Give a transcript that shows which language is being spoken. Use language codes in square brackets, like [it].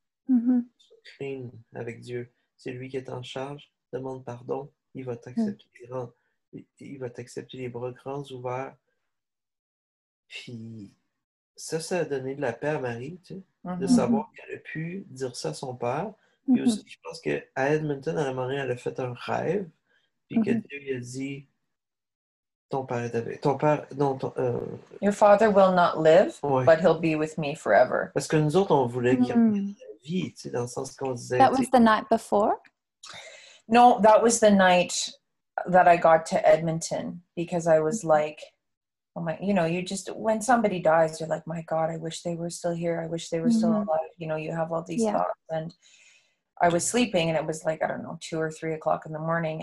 [fr] Tu sois clean avec Dieu. C'est lui qui est en charge, demande pardon, il va t'accepter il va t'accepter les bras grands ouverts. Puis ça a donné de la paix à Marie, tu sais, de savoir qu'elle a pu dire ça à son père. Puis aussi, je pense qu'à Edmonton, à la manière, elle a fait un rêve, puis que Dieu lui a dit, ton père est avec... [en] Your father will not live, but he'll be with me forever. [fr] Parce que nous autres, on voulait qu'il revienne la vie, tu sais, dans le sens qu'on disait... [en] That was the night before? No, that was the night that I got to Edmonton, because I was like, oh my, you know, you just, when somebody dies, you're like, my God, I wish they were still here. I wish they were still alive. You know, you have all these thoughts. And I was sleeping and it was like, I don't know, 2 or 3 o'clock in the morning.